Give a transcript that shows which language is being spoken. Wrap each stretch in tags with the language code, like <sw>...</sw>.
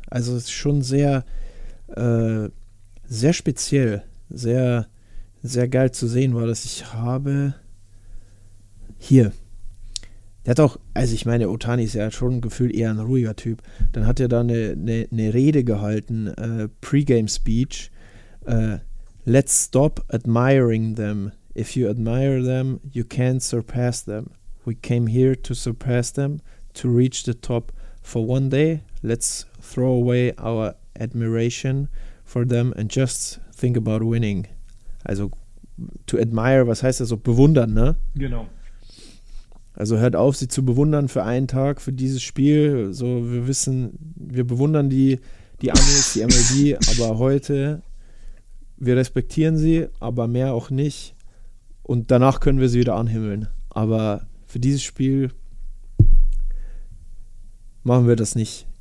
<de>Also es ist schon sehr, sehr speziell, sehr, sehr geil zu sehen, war das. Ich habe hier. Der hat auch, also ich meine, Ohtani ist ja schon gefühlt eher ein ruhiger Typ. Dann hat er da eine Rede gehalten, Pre-Game-Speech.</de> <en>Let's stop admiring them. If you admire them, you can't surpass them. We came here to surpass them, to reach the top. For one day, let's throw away our admiration for them and just think about winning.</en> <de>Also, to admire, was heißt das? So, bewundern, ne? Genau. Also hört auf, sie zu bewundern für einen Tag, für dieses Spiel. So, wir wissen, wir bewundern die Amis, die MLB, aber heute, wir respektieren sie, aber mehr auch nicht. Und danach können wir sie wieder anhimmeln. Aber für dieses Spiel machen wir das nicht.</de>